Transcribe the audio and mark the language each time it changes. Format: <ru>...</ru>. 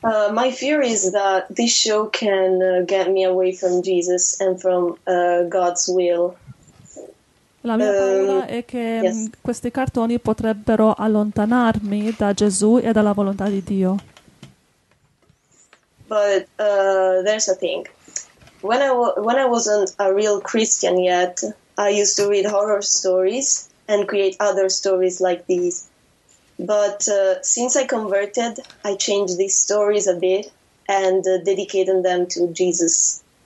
<en>My fear is that this show can get me away from Jesus and from God's will.</en> <it>La mia paura è che questi cartoni potrebbero allontanarmi da Gesù e dalla volontà di Dio.</it> <en>But there's a thing. When I wasn't a real Christian yet, I used to read horror stories and create other stories like these. But since I converted, I changed these stories a bit and dedicated them to Jesus.</en>